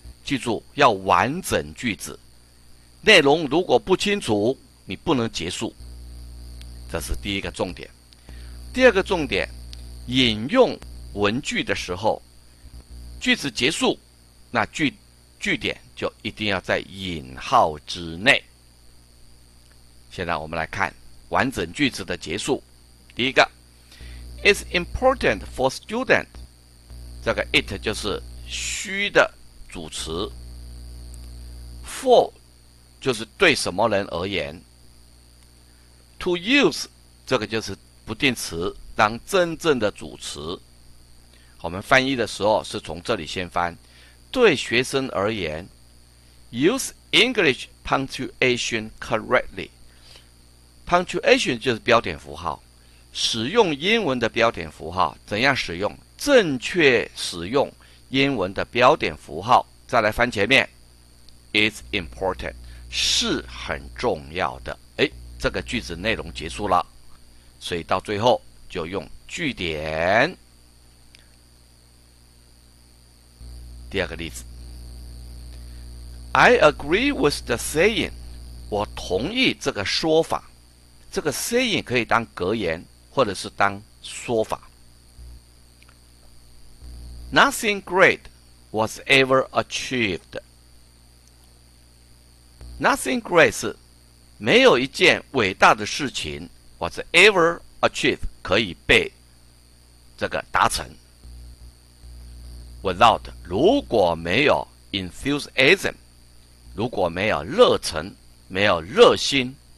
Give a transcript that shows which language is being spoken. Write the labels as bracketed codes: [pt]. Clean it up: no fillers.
[zh] 记住要完整句子，内容如果不清楚你不能结束，这是第一个重点。第二个重点，引用文句的时候，句子结束那句点就一定要在引号之内。现在我们来看完整句子的结束。 [en] 第一个，It's important for students. [zh] 这个 it 就是虚的主词。 For 就是对什么人而言。 [en] To use [zh] 这个就是不定词当真正的主词。我们翻译的时候是从这里先翻。对学生而言 [en] ，use English punctuation correctly. [zh] Punctuation 就是标点符号。使用英文的标点符号，怎样使用？正确使用英文的标点符号。再来翻前面 ， [en] It's important [zh] 是很重要的。哎，这个句子内容结束了，所以到最后就用句点。第二个例子 ， [en] I agree with the saying， [zh] 我同意这个说法。这个 saying 可以当格言。或者是当说法。 [en] Nothing great was ever achieved. Nothing great [zh] 是没有一件伟大的事情 [en] was ever achieved [zh] 可以被这个达成。 Without 如果没有 enthusiasm， 如果没有热忱，没有热心。